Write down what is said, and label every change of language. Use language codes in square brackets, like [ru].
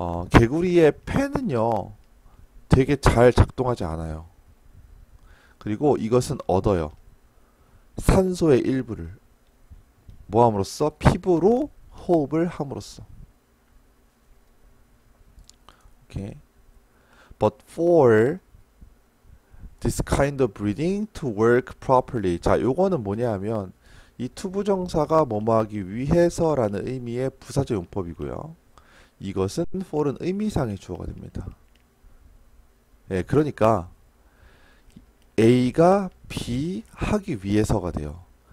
[ko] 개구리의 폐는요, 되게 잘 작동하지 않아요. 그리고 이것은 얻어요. 산소의 일부를 모함으로써 피부로 호흡을 함으로써. [en] Okay. But for this kind of breathing to work properly. [ko] 자, 요거는 뭐냐 하면, 이 투부 정사가 뭐뭐 하기 위해서라는 의미의 부사적 용법이고요. 이것은 for는 의미상의 주어가 됩니다. 예, 그러니까 A가 B 하기 위해서가 돼요.